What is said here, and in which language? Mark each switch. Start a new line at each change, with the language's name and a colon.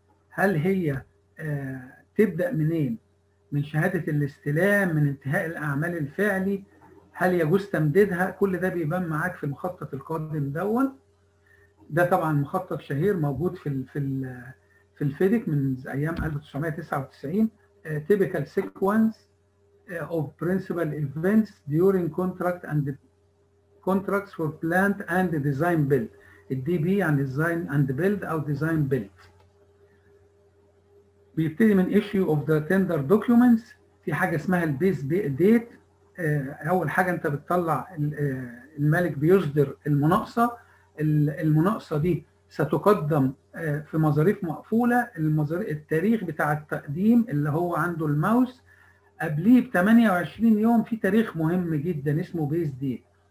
Arabic: هل هي تبدا منين؟ من شهاده الاستلام، من انتهاء الاعمال الفعلي، هل يجوز تمديدها؟ كل ده بيبان معاك في المخطط القادم دون. ده طبعا مخطط شهير موجود في الفيديك من ايام 1999.
English: Typical sequence of principal events during contract and contracts for plant and design build.
Arabic: الدي بي يعني
English: design and build او design build.
Arabic: بيبتدي من
English: issue of the tender documents.
Arabic: في حاجة اسمها البيز ديت، أول حاجة أنت بتطلع الملك بيصدر المناقصة، المناقصة دي ستقدم في مظاريف مقفولة، التاريخ بتاع التقديم اللي هو عنده الماوس قبليه ب 28 يوم، في تاريخ مهم جدا اسمه بيز ديت.